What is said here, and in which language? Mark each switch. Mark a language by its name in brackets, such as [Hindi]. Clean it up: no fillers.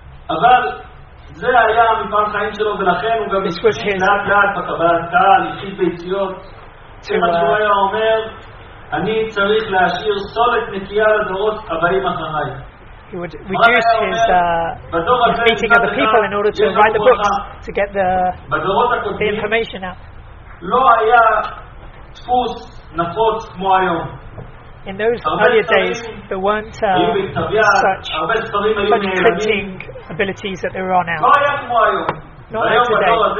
[Hebrew] אבל זה היה מפעם חיים שלו, ולכן הוא גם התחיל לאט לאט בקבלת קהל, התחיל ביציאות. כמו שהוא היה אומר, אני צריך להשאיר סולת נקייה לדורות הבאים אחריי. [English] He would reduce his meeting of the people in order to write the books, to get the information out. [Hebrew] לא היה דפוס נפוץ כמו היום. [English] In those earlier days, there weren't such printing abilities that there are now. Not like today.